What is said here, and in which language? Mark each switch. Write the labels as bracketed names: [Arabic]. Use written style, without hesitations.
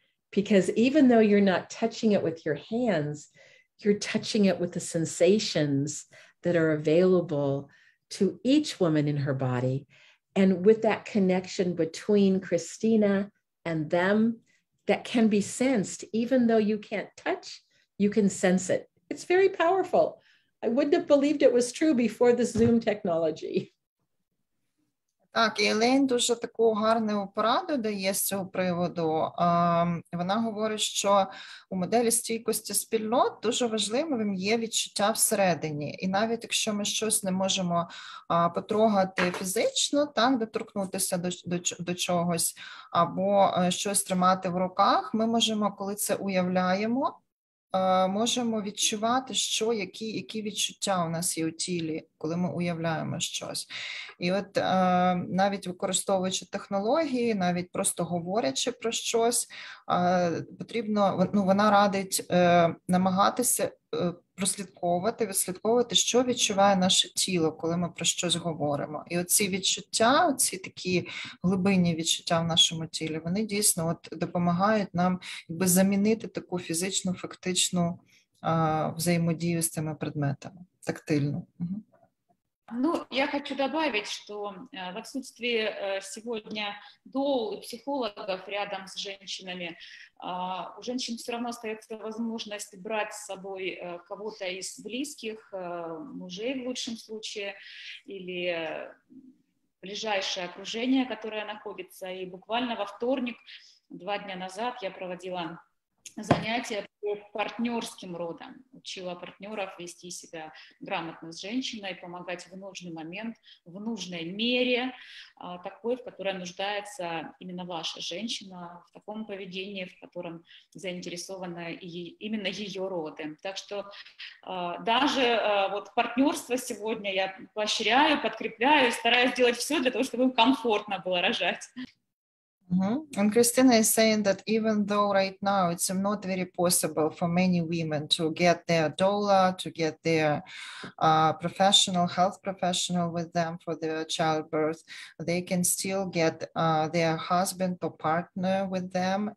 [English] Because even though you're not touching it with your hands, you're touching it with the sensations that are available to each woman in her body. And with that connection between Christina and them, that can be sensed, even though you can't touch, you can sense it. It's very powerful. I wouldn't have believed it was true before the Zoom technology. [Ukrainian] Так, Елен дуже таку гарну пораду дає з цього приводу. Вона говорить, що у моделі стійкості спільнот дуже важливим є відчуття всередині. І навіть якщо ми щось не можемо потрогати фізично, так, доторкнутися до чогось, або щось тримати в руках, ми можемо, коли це уявляємо, можемо відчувати, що, які відчуття у нас є у тілі, коли ми уявляємо щось. І от навіть використовуючи технології, навіть просто говорячи про щось, потрібно, ну, вона радить намагатися прослідковувати, відслідковувати, що відчуває наше тіло, коли ми про щось говоримо. І оці відчуття, оці такі глибинні відчуття в нашому тілі, вони дійсно от допомагають нам якби замінити таку фізичну, фактичну взаємодію з цими предметами, тактильну. [Russian] Ну, я хочу добавить, что в отсутствии сегодня доул и психологов рядом с женщинами, у женщин все равно остается возможность брать с собой кого-то из близких, мужей в лучшем случае, или ближайшее окружение, которое находится. И буквально во вторник, два дня назад, я проводила занятия по партнерским родам, учила партнеров вести себя грамотно с женщиной, помогать в нужный момент, в нужной мере, такой, в которой нуждается именно ваша женщина, в таком поведении, в котором заинтересованы именно ее роды. Так что даже вот партнерство сегодня я поощряю, подкрепляю, стараюсь делать все для того, чтобы им комфортно было рожать. Mm-hmm. [English] And Christina is saying that even though right now it's not very possible for many women to get their doula, to get their professional, health professional with them for their childbirth, they can still get their husband or partner with them.